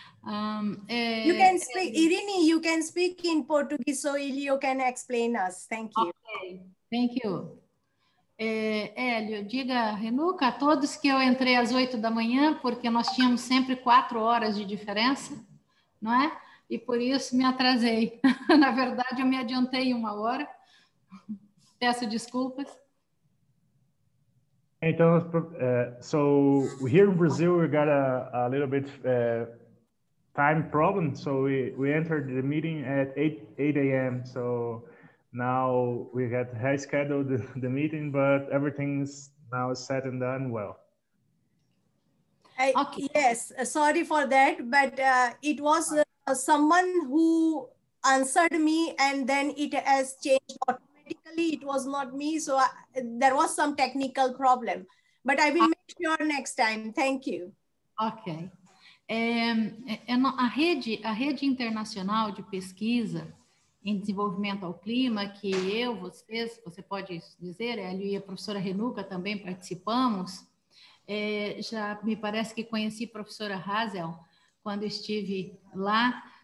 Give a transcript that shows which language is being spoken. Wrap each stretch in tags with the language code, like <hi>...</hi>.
<en>You can speak, Irini, you can speak in Portuguese so Ilio can explain us. Thank you. Okay, thank you.</en> <pt>Hélio, diga, Renuka, a todos que eu entrei às 8 da manhã, porque nós tínhamos sempre 4 horas de diferença, não é? E por isso me atrasei. Na verdade, eu me adiantei 1 hora. Peço desculpas.</pt> <en>Então, so here in Brazil, we got a little bit time problem. So we entered the meeting at 8 a.m. So now we had scheduled the meeting, but everything's now set and done well. Okay. Yes, sorry for that, but it was someone who answered me and then it has changed automatically. It was not me, so there was some technical problem, but I will make sure next time. Thank you. Okay.</en> <pt>A rede internacional de pesquisa em desenvolvimento ao clima, que eu, vocês, você pode dizer, Hélio e a professora Renuka também participamos, já me parece que conheci a professora Hazel quando estive lá,</pt>